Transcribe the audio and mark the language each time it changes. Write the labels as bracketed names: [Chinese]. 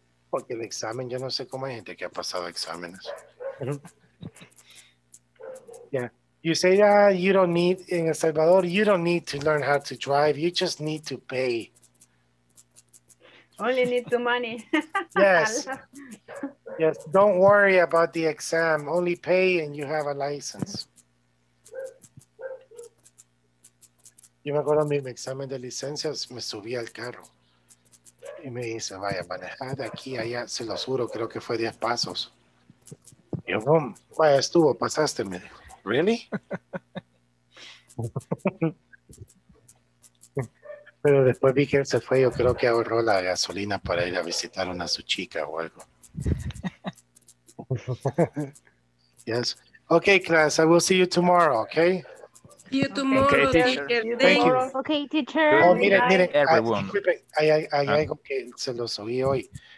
[Spanish] Porque el examen, yo no sé cómo hay gente que ha pasado exámenes. [English] Yeah. You say, you don't need, in El Salvador, you don't need to learn how to drive. You just need to pay. Only need the money. Yes. Yes. Don't worry about the exam. Only pay and you have a license. [Spanish] Yo me acuerdo mi examen de licencias, me subí al carro. Y me dice, vaya, manejar de aquí a allá, se los juro, creo que fue 10 pasos. Y yo, boom, vaya, estuvo, pasaste, me dijo, ¿really? Pero después vi que él se fue, yo creo que ahorró la gasolina para ir a visitar a su chica o algo. [English] Yes. Okay, class, I will see you tomorrow, okay? You tomorrow, teacher. Thank you. Okay, teacher. [Spanish] Oh, mire, algo que se los oí hoy.